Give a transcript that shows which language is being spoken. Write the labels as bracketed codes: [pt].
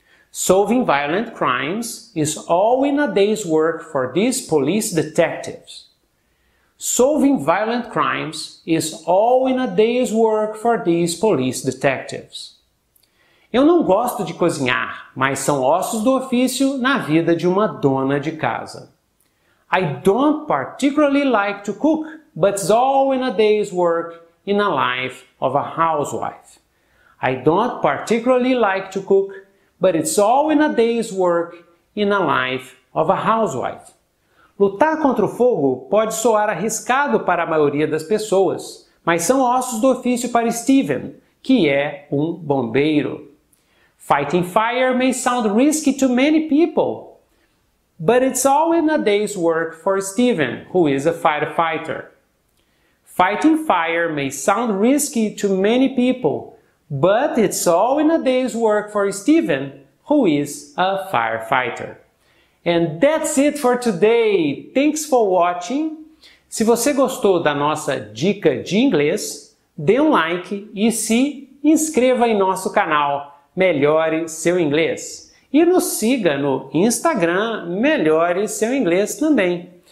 [en] Solving violent crimes is all in a day's work for these police detectives. Solving violent crimes is all in a day's work for these police detectives. [pt] Eu não gosto de cozinhar, mas são ossos do ofício na vida de uma dona de casa. [en] I don't particularly like to cook, but it's all in a day's work in the life of a housewife. I don't particularly like to cook, but it's all in a day's work in the life of a housewife. [pt] Lutar contra o fogo pode soar arriscado para a maioria das pessoas, mas são ossos do ofício para Steven, que é um bombeiro. [en] Fighting fire may sound risky to many people, but it's all in a day's work for Steven, who is a firefighter. Fighting fire may sound risky to many people, but it's all in a day's work for Steven, who is a firefighter. And that's it for today. Thanks for watching. [pt] Se você gostou da nossa dica de inglês, dê um like e se inscreva em nosso canal Melhore Seu Inglês. E nos siga no Instagram Melhore Seu Inglês também.